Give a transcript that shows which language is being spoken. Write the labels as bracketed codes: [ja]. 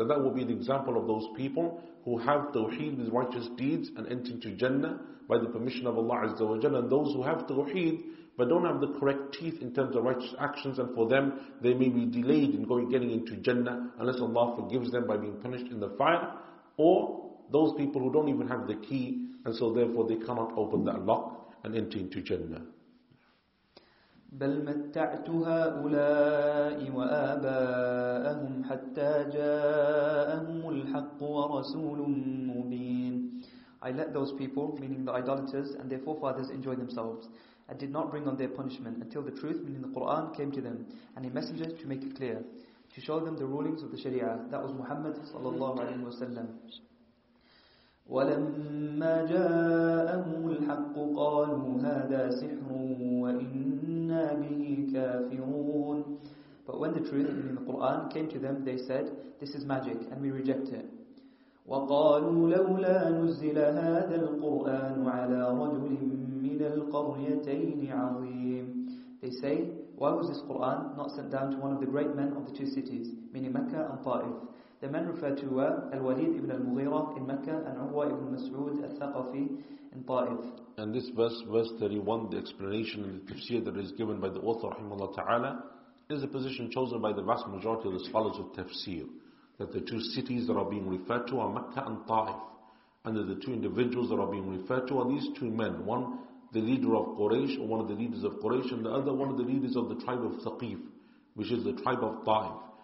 [en] And that will be the example of those people who have Tawheed with righteous deeds and enter into Jannah by the permission of Allah Azza wa Jalla. And those who have Tawheed but don't have the correct teeth in terms of righteous actions, and for them they may be delayed in getting into Jannah unless Allah forgives them by being punished in the fire, or those people who don't even have the key and so therefore they cannot open that lock and enter into Jannah. [ar] بل متعت هؤلاء وآباءهم حتى جاءهم الحق ورسول مبين. [en] I let those people, meaning the idolaters and their forefathers, enjoy themselves, and did not bring on their punishment until the truth, meaning the Quran, came to them, and a messenger to make it clear, to show them the rulings of the Sharia. That was Muhammad sallallahu alaihi wasallam. [ar] ولما جاءهم الحق قالوا هذا سحر وإنا به كافرون. [en] But when the truth, meaning the Quran, came to them, they said, this is magic and we reject it. [ar] وقالوا لولا نزل هذا القرآن على رجل من القريتين عظيم. [en] They say, why was this Quran not sent down to one of the great men of the two cities, meaning Mecca and Taif? The men referred to were Al-Walid ibn al-Mughira in Mecca and Urwa ibn Mas'ud al-Thaqafi in Ta'if. And this verse 31, the explanation and the tafsir that is given by the author rahimahullah ta'ala, is a position chosen by the vast majority of the scholars of tafsir, that the two cities that are being referred to are Mecca and Ta'if, and that the two individuals that are being referred to are these two men, one the leader of Quraysh, or one of the leaders of Quraysh, and the other one of the leaders of the tribe of Thaqif, which is the tribe of Ta'if.